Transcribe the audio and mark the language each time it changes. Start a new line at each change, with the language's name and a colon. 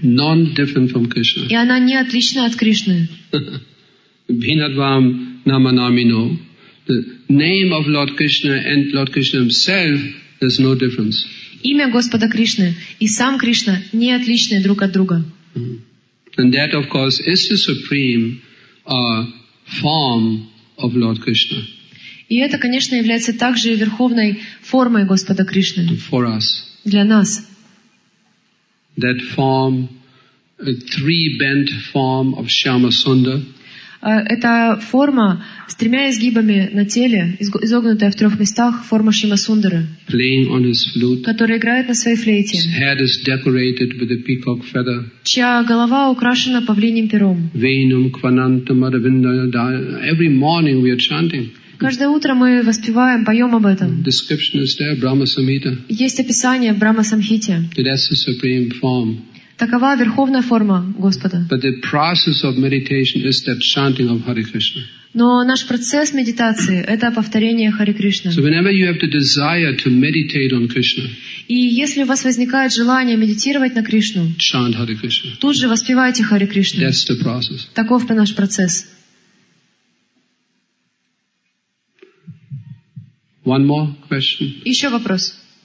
English: Non-different from Krishna.
Russian: И она не отлична от Кришны.
Sanskrit: Bhinadvam Namanamino.
English: The name of Lord Krishna and Lord Krishna himself, there's no difference.
Russian: Имя Господа Кришны и сам Кришна не отличны друг от друга.
English: And that, of course, is the supreme form of Lord Krishna.
Russian: И это, конечно, является также верховной формой Господа Кришны.
English: For us.
Russian: Для нас.
English: That form, a three-bent form of Shyama Sunda.
Russian: Это форма с тремя изгибами на теле, изогнутая в трех местах, форма Шрима Сундары,
English: playing on his flute,
Russian: который играет на своей флейте,
English: his head is decorated with a peacock feather,
Russian: чья голова украшена павлиним пером.
Sanskrit: Venum quanantam aravindaya.
English: Every morning we are chanting.
Russian: Каждое утро мы воспеваем, поем об этом.
English: Description is there, Brahma Samhita.
Russian: Есть описание в Брахма Самхите.
English: That's the supreme form.
Russian: Такова верховная форма Господа.
English: But the process of meditation is that chanting of Hare Krishna.
Russian: Но наш процесс медитации — это повторение Hare Krishna.
English: So whenever you have the desire to meditate on Krishna,
Russian: и если у вас возникает желание медитировать на Кришну,
English: chant Hare Krishna.
Russian: Тут же воспевайте Hare Krishna.
English: That's the process.
Russian: Таков наш процесс.
English: One more question.
Russian: Еще вопрос.